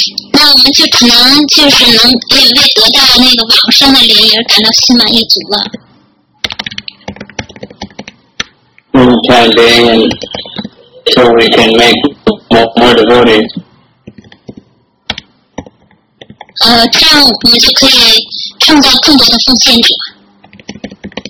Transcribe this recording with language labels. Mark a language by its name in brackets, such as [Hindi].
[Chinese] 那我们就可能就是能为得到那个网上的联谊而感到心满意足了。 [English] In the time being, so we can make more devotees. [Chinese] 这样我们就可以创造更多的奉献者。